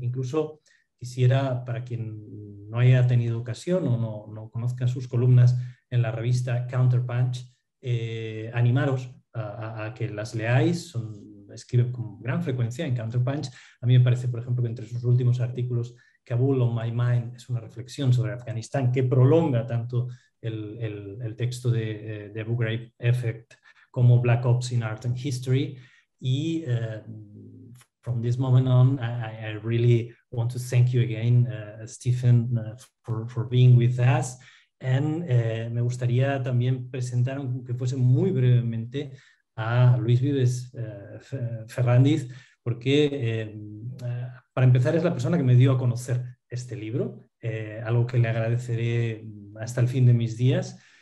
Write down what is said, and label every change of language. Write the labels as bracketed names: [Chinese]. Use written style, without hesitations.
[Spanish] Incluso quisiera, para quien no haya tenido ocasión o no conozca sus columnas en la revista Counterpunch, animaros a que las leáis. Escribe con gran frecuencia en Counterpunch. A mí me parece, por ejemplo, que entre sus últimos artículos, Kabul on My Mind, es una reflexión sobre Afganistán que prolonga tanto el texto de Abu Ghraib Effect como Black Ops in Art and History. [English] Y from this moment on, I really want to thank you again, Stephen, for being with us. [Spanish] And me gustaría también presentar, aunque fuese muy brevemente, a Luis Vives-Ferrándiz, porque para empezar es la persona que me dio a conocer este libro, algo que le agradeceré hasta el fin de mis días.